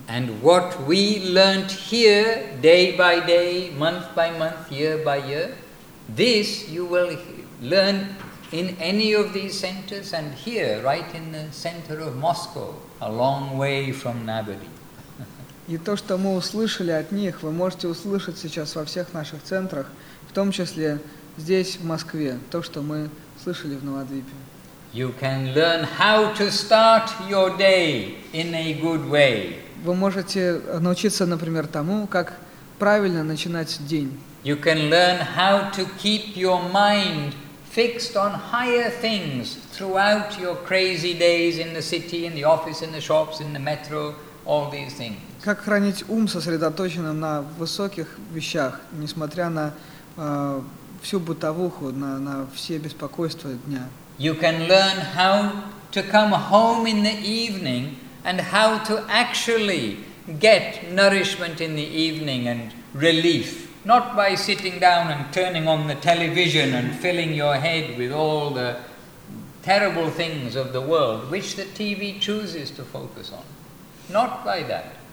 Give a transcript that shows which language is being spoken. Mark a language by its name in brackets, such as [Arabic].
[English] And what we learned here, day by day, month by month, year by year, this you will learn in any of these centers and here, right in the center of Moscow, a long way from Navadvip. [Russian] И то, что мы услышали от них, вы можете услышать сейчас во всех наших центрах, в том числе здесь, в Москве, то, что мы слышали в Навадвипе. [English] you can learn how to start your day in a good way. [Russian] Вы можете научиться, например, тому, как правильно начинать день. [English] You can learn how to keep your mind fixed on higher things throughout your crazy days in the city, in the office, in the shops, in the metro, all these things. [Russian] Как хранить ум сосредоточенным на высоких вещах, несмотря на всю бытовуху, на все беспокойства дня. [English] You can learn how to come home in the evening and how to actually get nourishment in the evening and relief. Not by sitting down and turning on the television and filling your head with all the terrible things of the world, which the TV chooses to focus on. Not by that.